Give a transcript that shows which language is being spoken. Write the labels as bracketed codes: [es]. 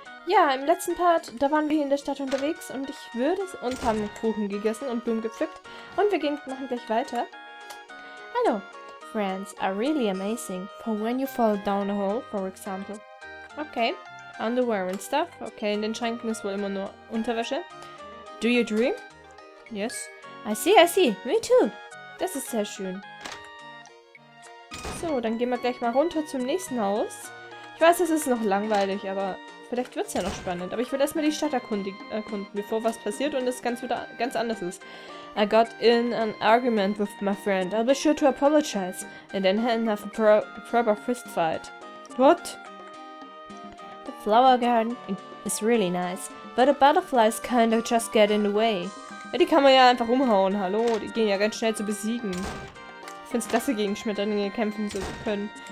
[de] Ja, im letzten Part, da waren wir in der Stadt unterwegs und ich würde es und haben Kuchen gegessen und Blumen gepflückt. Und wir machen gleich weiter. Hallo. [en] Friends are really amazing for when you fall down a hole, for example. Okay. Underwear and stuff. [de] Okay, in den Schränken ist wohl immer nur Unterwäsche. [en] Do you dream? Yes. I see, me too. [de] Das ist sehr schön. So, dann gehen wir gleich mal runter zum nächsten Haus. Ich weiß, es ist noch langweilig, aber vielleicht wird es ja noch spannend. Aber ich will erstmal die Stadt erkunden, bevor was passiert und es ganz, ganz anders ist. [en] I got in an argument with my friend. I'll be sure to apologize. And then have a proper fist fight. What? The flower garden is really nice. But the butterflies kind of just get in the way. [de] Ja, die kann man ja einfach umhauen, hallo. Die gehen ja ganz schnell zu besiegen. Ich finde es klasse, gegen Schmetterlinge kämpfen zu können.